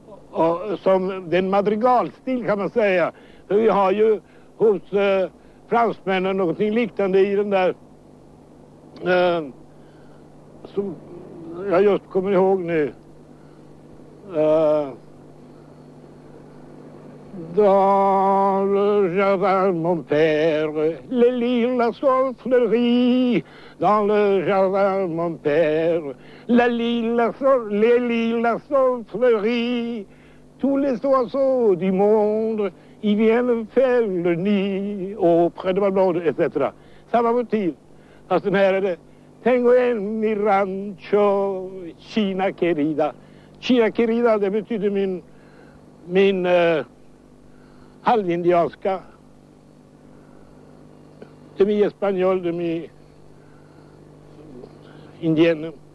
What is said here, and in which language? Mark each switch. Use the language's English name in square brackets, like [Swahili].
[Swedish] Och som den madrigalstil kan man säga. För vi har ju hos fransmännen någonting liknande i den där som jag just kommer ihåg nu. [French] Dans le jardin mon père, les lilas sont fleuris. Dans le jardin mon père, les lilas sont fleuris. Tous les oiseaux du monde, ils viennent faire le nid auprès de ma blonde, etc. [Swedish] Samma motiv. Fast den här är det. [Spanish] Tengo en mi rancho, China querida. China querida, [Swedish] det betyder min halvindianska. [French] Demi espanol, demi indien.